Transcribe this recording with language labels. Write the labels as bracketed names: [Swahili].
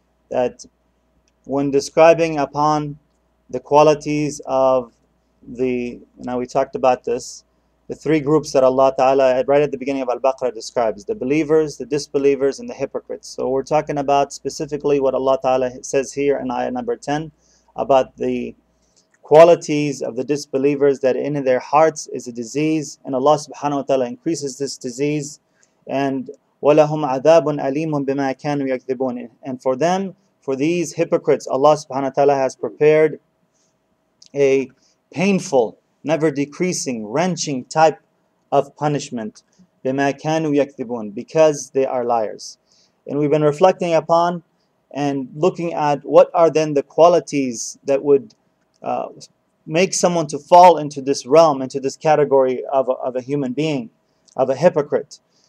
[English] That when describing upon the qualities of the, now we talked about this, the three groups that Allah Ta'ala, right at the beginning of Al-Baqarah, describes: the believers, the disbelievers, and the hypocrites. So we're talking about specifically what Allah Ta'ala says here in ayah number 10 about the qualities of the disbelievers, that in their hearts is a disease, and Allah Subhanahu wa Ta'ala increases this disease. [Arabic] And وَلَهُمْ عَذَابٌ أَلِيمٌ بِمَا كَانُوا يَكْذِبُونَ. [English] And for them, for these hypocrites, Allah Subhanahu wa Ta'ala has prepared a painful, never decreasing, wrenching type of punishment, [Arabic] بِمَا كَانُوا يَكْذِبُونَ, [English] because they are liars. And we've been reflecting upon and looking at what are then the qualities that would make someone to fall into this realm, into this category of a human being, of a hypocrite.